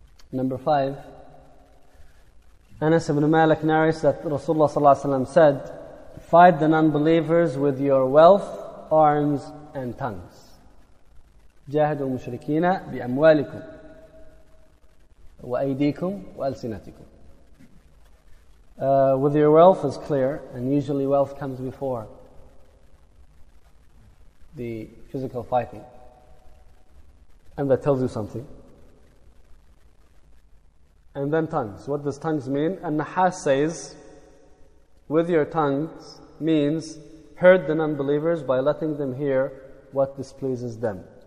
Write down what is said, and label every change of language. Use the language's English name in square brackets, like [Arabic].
[English] Number 5, Anas ibn Malik narrates that Rasulullah sallallahu alaihi wasallam said, fight the non-believers with your wealth, arms and tongues. [Arabic] جاهدوا المشركين بأموالكم وأيديكم وألسنتكم. [English] With your wealth is clear, and usually wealth comes before the physical fighting. And that tells you something. And then tongues. What does tongues mean? An-Nahas says, with your tongues means hurt the non-believers by letting them hear what displeases them.